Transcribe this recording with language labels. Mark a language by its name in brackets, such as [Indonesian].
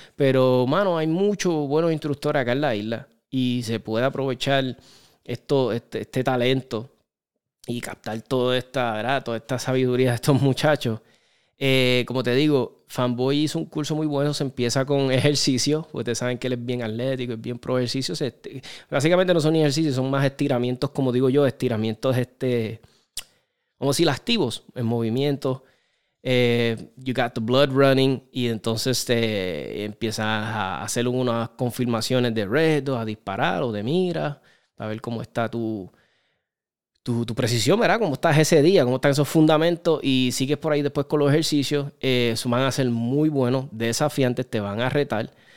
[Spanish] Pero, mano, hay muchos buenos instructores acá en la isla y se puede aprovechar este talento y captar toda esta sabiduría de estos muchachos. Como te digo, Fanboy hizo un curso muy bueno. Se empieza con ejercicio. Ustedes saben que él es bien atlético, es bien pro ejercicio. Básicamente no son ejercicios, son más estiramientos, como digo yo, estiramientos como si lastivos en movimiento. [English] You got the blood running. [Spanish] Y entonces empiezas a hacer unas confirmaciones de reto, a disparar o de mira, a ver cómo está tu precisión, ¿verdad? ¿Cómo estás ese día? ¿Cómo están esos fundamentos? Y sigues por ahí después con los ejercicios. Eso van a ser muy buenos, desafiantes, te van a retar.